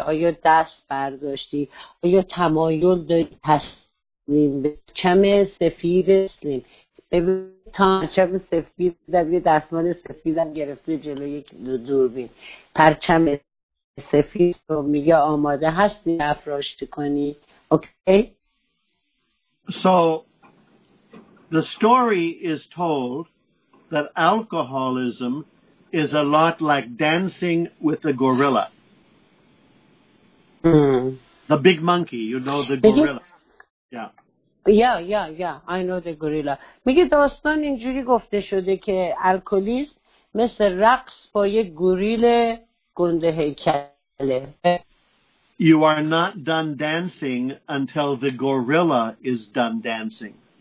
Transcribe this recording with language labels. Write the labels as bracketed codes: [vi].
[fa] آیا دست برداشتی؟ آیا تمایل داری تسلیم بشی؟ چم سفید تسلیم. پرچم سفید در یه دستمال سفیدم گرفته جلوی یک دوربین پرچم سفید رو میگه آماده هستی افراشت کنی. [en] Okay? So the story is told that alcoholism is a lot like dancing with a gorilla. The big monkey, you know, the gorilla. Yeah, I know the gorilla. [fa] میگه داستان اینجوری گفته شده که الکلیسم مثل رقص با یه گوریل گنده هیکله. [en] You are not done dancing until the gorilla is done dancing.